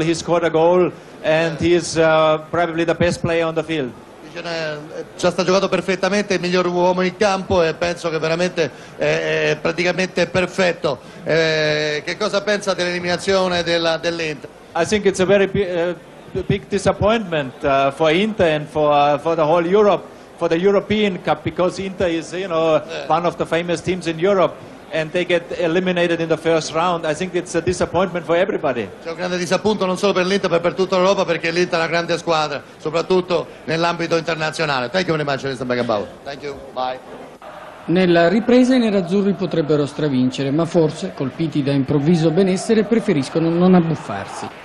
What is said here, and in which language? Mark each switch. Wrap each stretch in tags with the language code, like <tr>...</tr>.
<en>He scored a goal and he is probably the best player on the field.</en> <it>Già sta giocando perfettamente, il miglior uomo in campo e penso che veramente è praticamente perfetto. Che cosa pensa dell'eliminazione dell'Inter?</it> <en>I think it's a very big disappointment for Inter and for the whole Europe, for the European Cup, because Inter is, you know, one of the famous teams in Europe and they get eliminated in the first round, I think it's a disappointment for everybody.</en> <it>C'è un grande disappunto non solo per l'Inter, ma per tutta l'Europa, perché l'Inter è una grande squadra, soprattutto nell'ambito internazionale.</it> <en>Thank you very much, Mr. Beckenbauer. Thank you, bye.</en> <it>Nella ripresa i nerazzurri potrebbero stravincere, ma forse, colpiti da improvviso benessere, preferiscono non abbuffarsi.</it>